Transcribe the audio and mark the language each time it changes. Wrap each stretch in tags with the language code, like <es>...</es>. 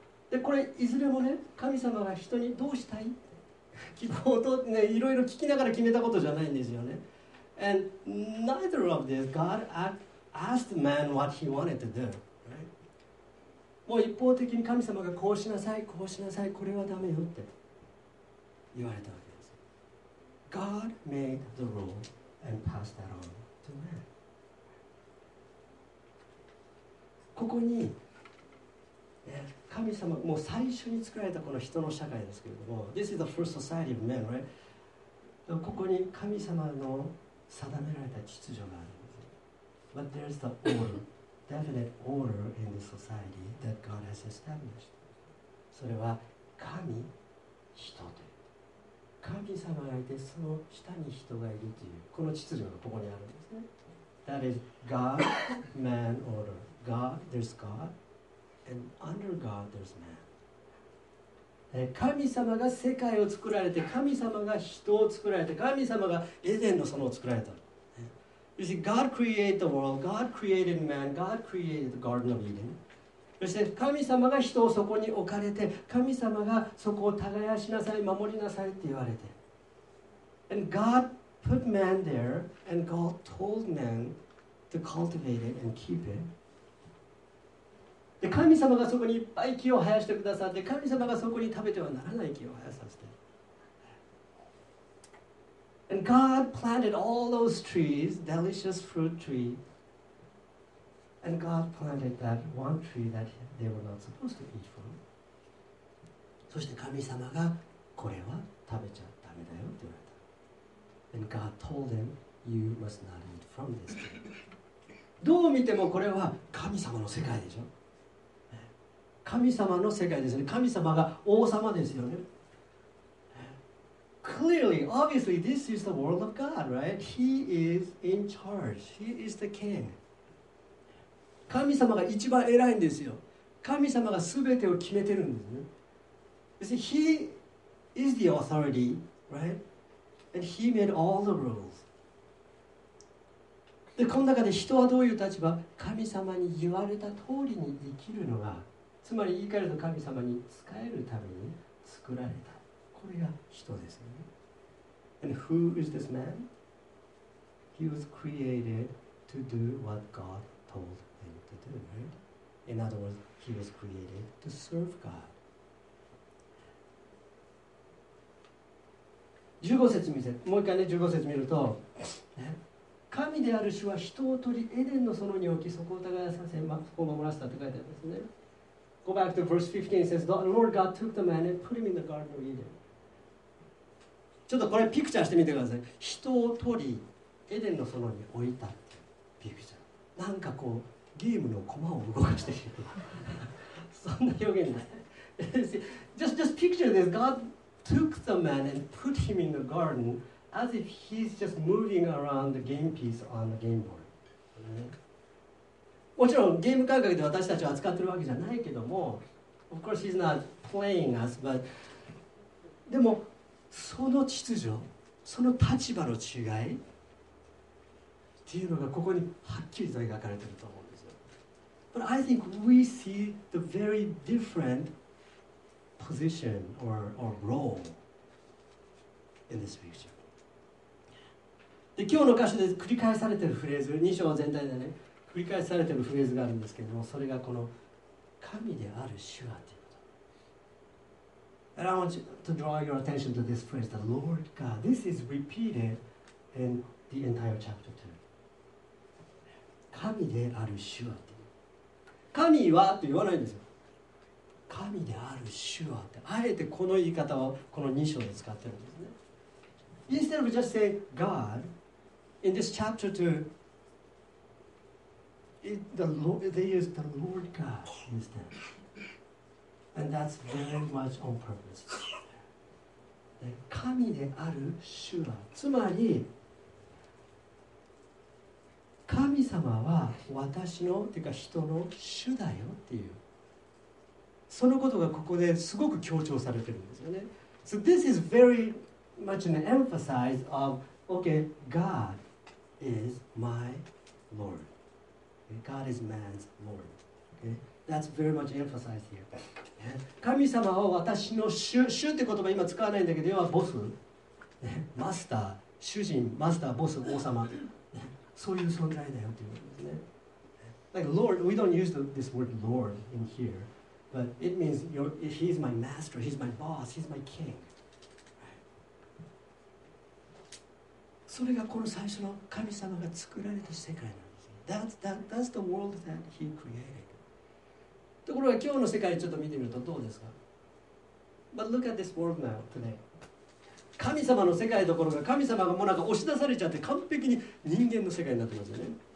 <ja>でこれいずれもね、神様が人にどうしたい希望とね、いろいろ聞きながら決めたことじゃないんですよね。</ja> <en>And neither of this, God asked man what he wanted to do.、Right?</en> <ja>もう一方的に神様がこうしなさい、こうしなさい、これはダメよって言われたわけです。</ja> <en>God made the rule and passed that on to man.</en> <ja>ここに、神様、もう最初に作られたこの人の社会ですけれども、</ja> <en>This is the first society of men, right?</en> <ja>ここに神様の定められた秩序があるんです。</ja> <en>But there's the order, definite order in the society that God has established.</en> <ja>それは神、人という。神様がいて、その下に人がいるという、この秩序がここにあるんですね。</ja> <en>That is God, man, order. God, there's God, and under God, there's man.</en> <ja>神様が世界を作られて、神様が人を作られて、神様がエデンの園を作られた。</ja> <en>You see, God created the world, God created man, God created the Garden of Eden.</en> <ja>そして神様が人をそこに置かれて、神様がそこを耕しなさい、守りなさいって言われて。</ja> <en>And God put man there, and God told man to cultivate it and keep it.</en> <ja>で神様がそこにいっぱい木を生やしてくださって、神様がそこに食べてはならない木を生やさせて。</ja> <en>And God planted all those trees, delicious fruit tree. And God planted that one tree that they were not supposed to eat from.</en> <ja>そして神様がこれは食べちゃダメだよって言われた。</ja> <en>And God told them, you must not eat from this tree.</en> <ja>どう見てもこれは神様の世界でしょ。神様の世界ですね。神様が王様ですよね。</ja> <en>Clearly, obviously, this is the world of God, right? He is in charge. He is the king.</en> <ja>神様が一番偉いんですよ。神様が全てを決めてるんですね。</ja> <en>You see, he is the authority, right? And he made all the rules.</en> <ja>で、この中で人はどういう立場？神様に言われた通りに生きるのが、つまり言い換えると神様に仕えるために作られた。これが人ですね。</ja> <en>And who is this man? He was created to do what God told him to do, right? In other words, he was created to serve God.</en> <ja>十五節見せ、もう一回ね、十五節見ると、ね、神である主は人を取りエデンの園に置き、そこを耕させ、ま、そこを守らせたって書いてあるんですね。</ja> <en>Go back to verse 15, it says, The Lord God took the man and put him in the Garden of Eden.</en> <ja>ちょっとこれピクチャーしてみてください。人を取り、エデンの園に置いたってピクチャー。なんかこう、ゲームの駒を動かしてるような。そんな表現です。</ja> <en>just picture this. God took the man and put him in the garden as if he's just moving around the game piece on the game board.</en> <ja>もちろんゲーム感覚で私たちを扱ってるわけじゃないけども、</ja> <en>of course he's not playing us, but</en> <ja>でもその秩序、その立場の違いっていうのがここにはっきりと描かれていると思うんですよ。</ja> <en>But I think we see the very different position or role in this picture.</en> <ja>で今日の箇所で繰り返されているフレーズ、2章全体でね、繰り返されているフレーズがあるんですけども、それがこの神である主はという。</ja> <en>And I want to draw your attention to this phrase, the Lord God. This is repeated in the entire chapter 2.</en> <ja>神である主はって。神はって言わないんですよ。神である主はって。あえてこの言い方をこの2章で使ってるんですね。</ja> <en>Instead of just saying God, in this chapter 2, they use the Lord God instead. And that's very much on purpose.</en> <ja>神である主は、つまり神様は私のというか人の主だよっていう、そのことがここですごく強調されてるんですよね。</ja> <en>So this is very much an emphasis of okay, God is my Lord. God is man's Lord. Okay? That's very much emphasized here.</en> <ja>神様は私の主、主って言葉今使わないんだけど、要はボス、マスター、主人、マスター、ボス、王様、そういう存在だよっていうことですね。</ja> <en>Like Lord, we don't use this word Lord in here, but it means he's my master, he's my boss, he's my king.</en> <ja>それがこの最初の神様が作られた世界なんですね。</ja> <en>That's the world that he created.</en> <ja>ところが今日の世界ちょっと見てみるとどうですか。</ja> <en>But look at this world now, today.</en> <ja>神様の世界どころか神様がもうなんか押し出されちゃって完璧に人間の世界になってますよね。</ja>